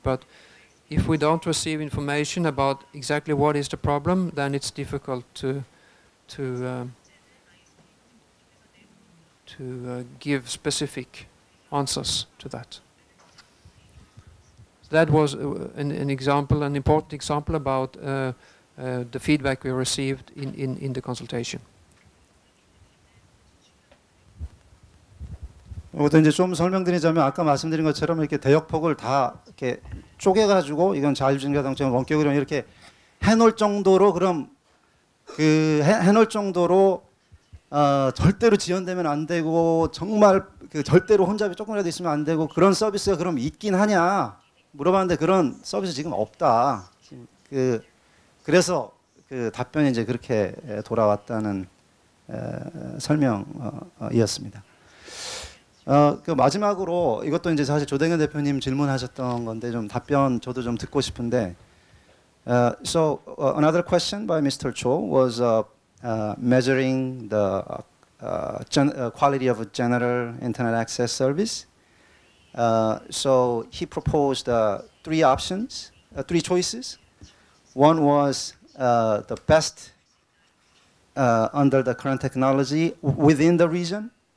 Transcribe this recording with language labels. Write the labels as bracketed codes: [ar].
[en] But if we don't receive information about exactly what is the problem, then it's difficult to give specific answers to that. That was an example, an important example about the feedback we received in the consultation. [ko] 어떤 이제 좀 설명드리자면 아까 말씀드린 것처럼 이렇게 대역폭을 다 이렇게 쪼개가지고 이건 자율주행 자동차 원격으로 이렇게 해놓을 정도로 그럼 그 해놓을 정도로. 절대로 지연되면 안 되고 정말 그 절대로 혼잡이 조금이라도 있으면 안 되고 그런 서비스가 그럼 있긴 하냐 물어봤는데 그런 서비스 지금 없다. 그래서 그 답변이 이제 그렇게 돌아왔다는 설명이었습니다. 그 마지막으로 이것도 이제 사실 조대근 대표님 질문하셨던 건데 좀 답변 저도 좀 듣고 싶은데. [en] So another question by Mr. Cho was. Measuring the quality of a general internet access service. So he proposed three choices. One was the best under the current technology within the region.